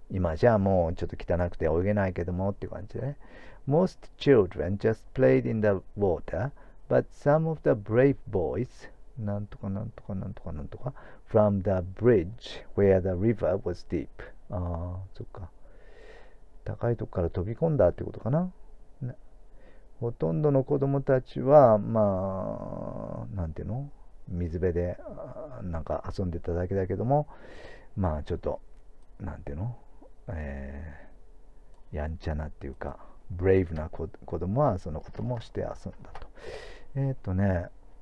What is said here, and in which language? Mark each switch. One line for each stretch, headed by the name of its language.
Japanese: 今じゃもうちょっと汚くて泳げないけどもって感じでね。
English: Most children just played in the water, but some of the brave boys、
Japanese: なんとかなんとかなんとかなんとか、
English: from the bridge where the river was deep。
Japanese: ああ、そっか。高いとこから飛び込んだってことかな。ほとんどの子供たちは、まあ、なんていうの? 水辺で、なんか遊んでただけだけども、まあ、ちょっと、なんていうの、やんちゃなっていうか、ブレイブな子供はそのこともして遊んだと。